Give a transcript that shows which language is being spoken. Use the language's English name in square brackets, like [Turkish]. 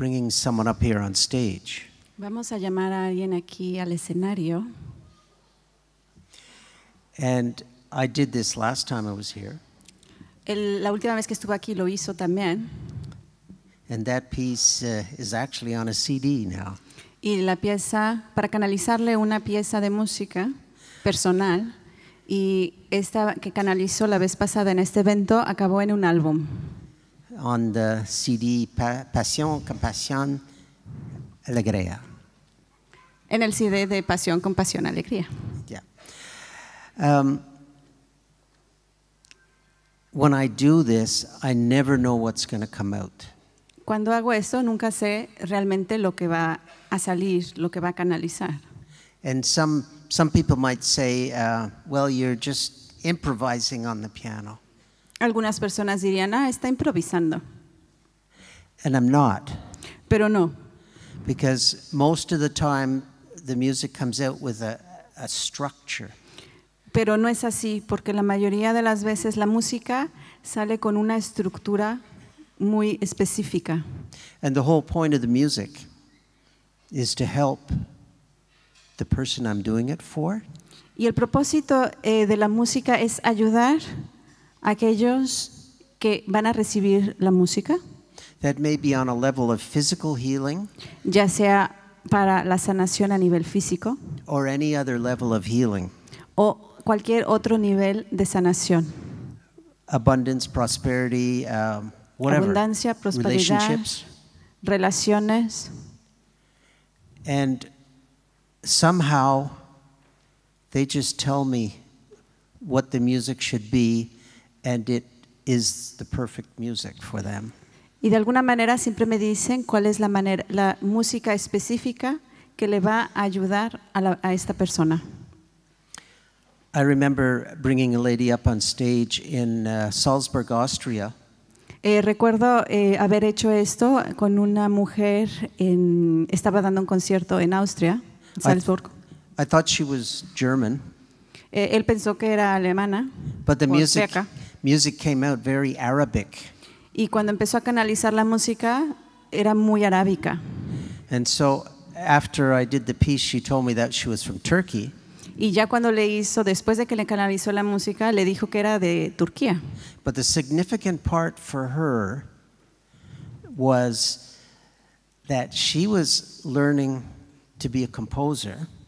[English] Someone up here on stage. [Spanish] Vamos a llamar a alguien aquí al escenario. [English] And I did this last time I was here. [Spanish] La última vez que estuve aquí lo hizo también. [English] And that piece is actually on a CD now. [Spanish] Y la pieza para canalizarle una pieza de música personal y esta que canalizó la vez pasada en este evento acabó en un álbum. [English] On the CD Passion Compassion Alegría. [Spanish] En el CD de Pasión Compasión Alegría. [English] Yeah. When I do this, I never know what's going to come out. [Spanish] Cuando hago esto, nunca sé realmente lo que va a salir, lo que va a canalizar. [English] And some people might say, well, you're just improvising on the piano. [Spanish] Algunas personas dirían, ah, está improvisando. [English] And I'm not. [Spanish] Pero no. [English] Because most of the time the music comes out with a structure. [Spanish] Pero no es así, porque la mayoría de las veces la música sale con una estructura muy específica. [English] And the whole point of the music is to help the person I'm doing it for. [Spanish] Y el propósito de la música es ayudar aquellos que van a recibir la música. [English] That may be on a level of physical healing. [Spanish] Ya sea para la sanación a nivel físico. [English] Or any other level of healing. [Spanish] O cualquier otro nivel de sanación. [English] Abundance, prosperity, whatever. [Spanish] Abundancia, prosperidad, relaciones. [English] And somehow they just tell me what the music should be, and it is the perfect music for them. [Spanish] Y de alguna manera siempre me dicen cuál es la manera, la música específica que le va a ayudar a, la, a esta persona. [English] I remember bringing a lady up on stage in Salzburg, Austria. [Spanish] Recuerdo haber hecho esto con una mujer en, estaba dando un concierto en Austria, en Salzburg. [English] I thought she was German. [Spanish] Él pensó que era alemana. [English] But the music came out very Arabic. [Spanish] Y cuando empezó a canalizar la música, era muy arábica. [English] And so after I did the piece, she told me that she was from Turkey. [Spanish] Y ya cuando le hizo, después de que le canalizó la música, le dijo que era de Turquía. [English] But the significant part for her was that she was learning to be a composer.